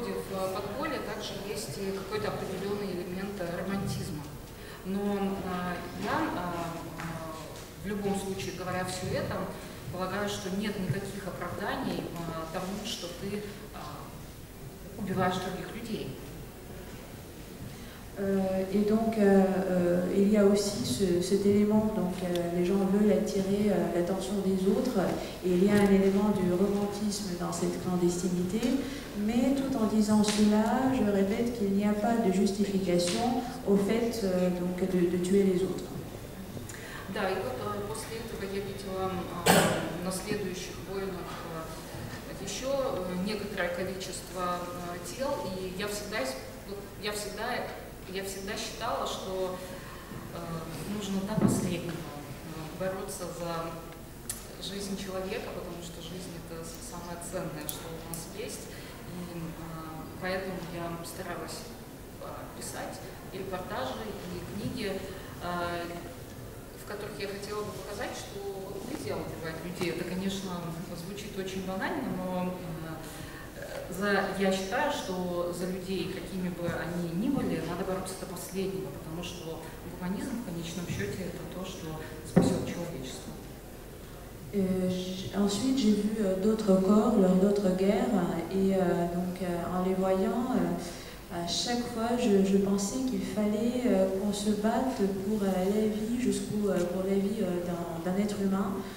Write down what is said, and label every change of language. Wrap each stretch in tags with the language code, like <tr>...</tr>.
<ru>В подполье также есть какой-то определенный элемент романтизма. Но я, в любом случае, говоря все это, полагаю, что нет никаких оправданий тому, что ты убиваешь других людей.</ru> <fr>Et donc, il y a aussi cet élément, donc les gens veulent attirer l'attention des autres, et il y a un élément du romantisme dans cette clandestinité, mais tout en disant cela, je répète qu'il n'y a pas de justification au fait donc, de tuer les autres.</fr> <ru>Да, и вот после этого я видела на следующих войнах еще некоторое количество тел, и я всегда считала, что нужно до последнего бороться за жизнь человека, потому что жизнь – это самое ценное, что у нас есть. И поэтому я старалась писать и репортажи, и книги, в которых я хотела бы показать, что нельзя убивать людей. Это, конечно, звучит очень банально, но я считаю, что за людей, какими бы они ни были, надо бороться до последнего, потому что гуманизм в конечном счете это то, что спасет человечество.</ru> <fr>Ensuite, j'ai vu d'autres corps lors d'autres guerres, et donc en les voyant, à chaque fois, je pensais qu'il fallait qu'on se batte pour la vie jusqu'au pour la vie d'un être humain.</fr>